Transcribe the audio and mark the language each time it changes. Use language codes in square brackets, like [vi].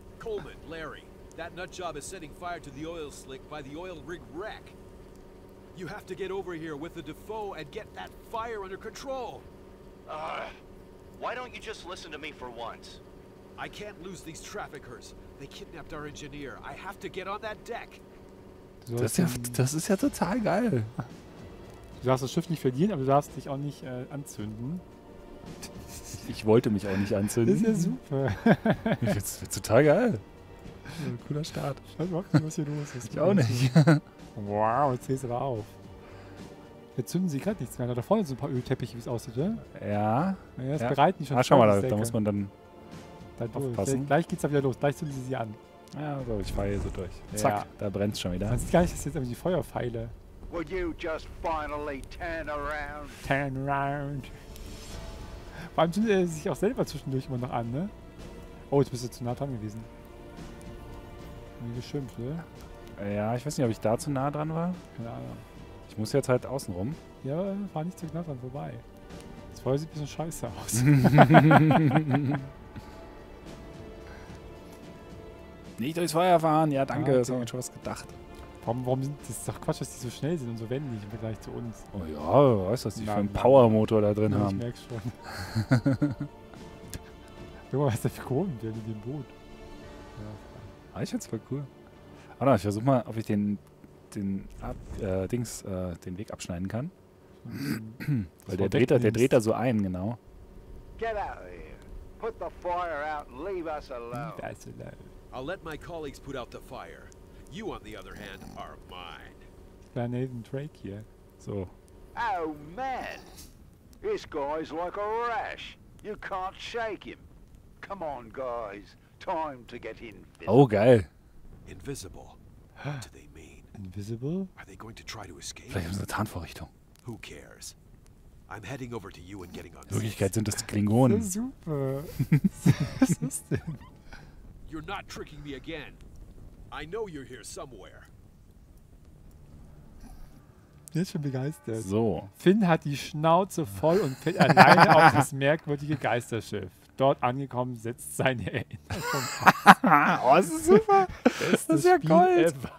[en] Coleman, Larry, that nutjob is setting fire to the oil slick by the oil rig wreck. You have to get over here with the Defoe and get that fire under control. Why don't you just listen to me for once? I can't lose these traffickers. They kidnapped our engineer. I have to get on that deck. [de] Das ist ja total geil. Du darfst das Schiff nicht verlieren, aber du darfst dich auch nicht anzünden. Ich wollte mich auch nicht anzünden. Das ist ja super. Das wird total geil. Ein cooler Start. Ich weiß überhaupt nicht, was hier los ist. Ich auch nicht. Wow, jetzt zählst du aber auf. Jetzt zünden sie gerade nichts mehr. Da vorne sind so ein paar Ölteppiche, wie es aussieht, oder? Ja. Das bereiten schon. Ah, schau mal, da muss man dann aufpassen. Gleich geht's da wieder los. Gleich zünden sie an. Ja, so, ich fahre hier so durch. Zack, da brennt's schon wieder. Man sieht gar nicht, dass jetzt irgendwie die Feuerpfeile. [en] Would you just finally turn around? Turn around. [de] Vor allem zündet er sich auch selber zwischendurch immer noch an, ne? Oh, jetzt bist du zu nah dran gewesen. Wie geschimpft, ne? Ja, ich weiß nicht, ob ich da zu nah dran war. Keine Ahnung. Ich muss jetzt halt außen rum. Ja, fahr nicht zu nah dran vorbei. Das Feuer sieht ein bisschen scheiße aus. Nicht durchs Feuer fahren. Ja, danke. Okay. Das haben wir schon was gedacht. Warum sind das doch Quatsch, dass die so schnell sind und so wendig im Vergleich zu uns. Oh ja, weißt du, was die für einen Power-Motor da drin haben. Ich merke schon. Guck mal, was da für Kurven werden in dem Boot. Ja. Ah, ich find's voll cool. Warte, ich versuche mal, ob ich den Weg abschneiden kann. Weil der dreht da so ein, genau. [en] Get out of here. Put the fire out and leave us alone. I'll let my colleagues put out the fire. You, on the other hand, are mine. [de] Van Nathan Drake hier. So. [en] Oh man! This guy's like a rash. You can't shake him. Come on, guys. Time to get invisible. [de] Oh geil. [en] Invisible. What do they mean? Invisible? Are they going to try to escape? [de] Vielleicht unsere Tarnvorrichtung. [en] Who cares? I'm heading over to you and getting on. [de] In Wirklichkeit sind das Klingonen. Das ist super. Was ist das denn? [en] You're not tricking me again. I know you're here somewhere. [de] Der ist schon begeistert. So. Finn hat die Schnauze voll und fällt alleine auf das merkwürdige Geisterschiff. Dort angekommen, setzt seine Erinnerung aus. Oh, das ist super. Das ist ja Gold.